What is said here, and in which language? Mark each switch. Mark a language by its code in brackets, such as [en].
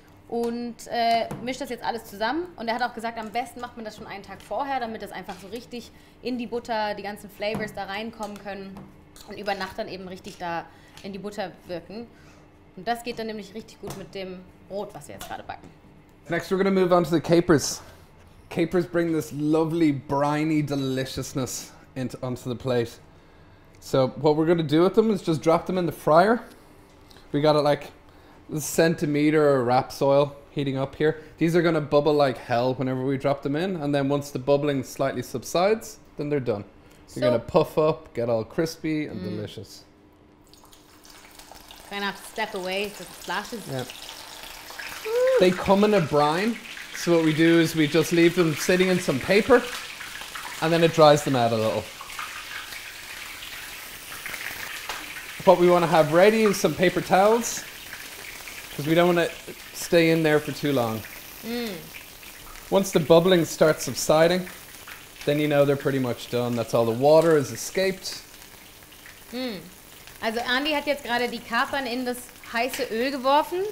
[de] und mischt das jetzt alles zusammen. Und er hat auch gesagt, am besten macht man das schon einen Tag vorher, damit das einfach so richtig in die Butter, die ganzen Flavors da reinkommen können und über Nacht dann eben richtig da in die Butter wirken. Und das geht dann nämlich richtig gut mit dem Brot, was wir jetzt gerade backen. [en] Next we're gonna move on to the capers. Capers bring this lovely briny deliciousness onto the plate. So what we're gonna do with them is just drop them in the fryer. We got it like a centimeter of raps oil heating up here. These are gonna bubble like hell whenever we drop them in, and then once the bubbling slightly subsides, then they're done. They're gonna puff up, get all crispy and delicious. Kind of step away so it splashes. Yeah. They come in a brine, so what we do is we just leave them sitting in some paper, and then it dries them out a little. What we want to have ready is some paper towels, because we don't want to stay in there for too long. Mm. Once the bubbling starts subsiding, then you know they're pretty much done. That's all the water has escaped. Mm. [de] Also Andy hat jetzt gerade die Kapern in das heiße Öl geworfen.